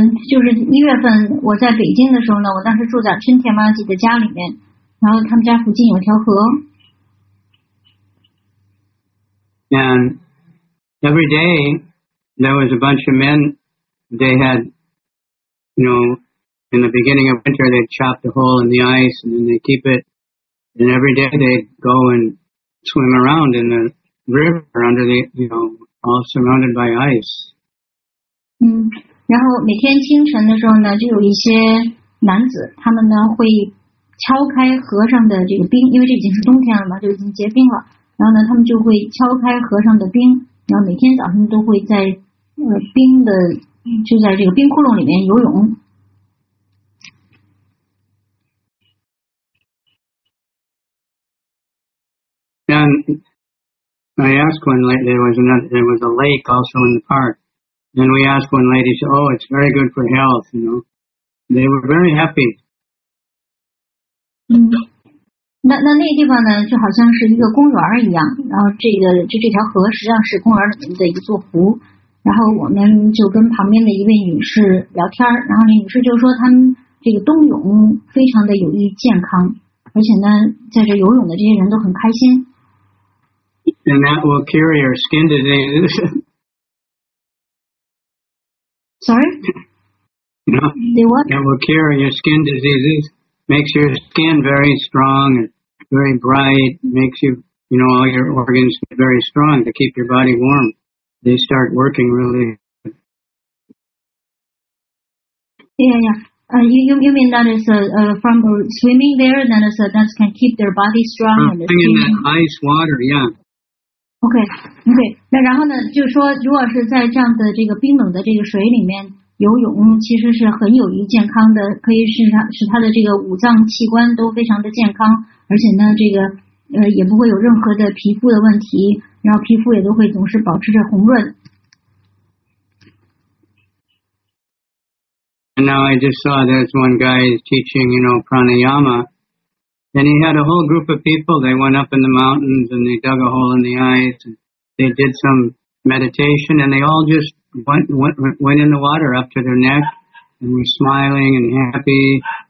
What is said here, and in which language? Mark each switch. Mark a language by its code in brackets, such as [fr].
[zh] 就是一月份我在北京的时候呢，我当时住在春田妈吉的家里面，然后他们家附近有条河。 [en] And every day there was a bunch of men. They had, in the beginning of winter, they chopped a hole in the ice and then they keep it. And every day they go and swim around in the river under the, all surrounded by ice. [zh] 然后每天清晨的时候呢，就有一些男子，他们呢会敲开河上的这个冰，因为这已经是冬天了嘛，就已经结冰了。然后呢，他们就会敲开河上的冰，然后每天早上都会在冰的，就在这个冰窟窿里面游泳。 [en] And I asked one lady, there was a lake also in the park. And we asked one lady, she said, oh, it's very good for health, They were very happy. [zh] 那地方呢，就好像是一个公园一样，然后这条河实际上是公园里面的一座湖。然后我们就跟旁边的一位女士聊天，然后那女士就说他们这个冬泳非常的有益健康，而且呢在这游泳的这些人都很开心。 [en] And that will cure your skin diseases. Sorry? No. They what? That will cure your skin diseases. Makes your skin very strong, very bright. Makes you, you know, all your organs very strong to keep your body warm. They start working really. Yeah. You mean that is from swimming there, that is that can keep their body strong? In that ice water, yeah. [zh] OK, 那然后呢就是说如果是在这样的这个冰冷的这个水里面游泳其实是很有益健康的，可以使他的这个五脏器官都非常的健康，而且呢这个也不会有任何的皮肤的问题，然后皮肤也都会总是保持着红润。 [en] And now I just saw there's one guy teaching, you know, pranayama. And he had a whole group of people, they went up in the mountains and they dug a hole in the ice and they did some meditation and they all just went in the water up to their neck and were smiling and happy.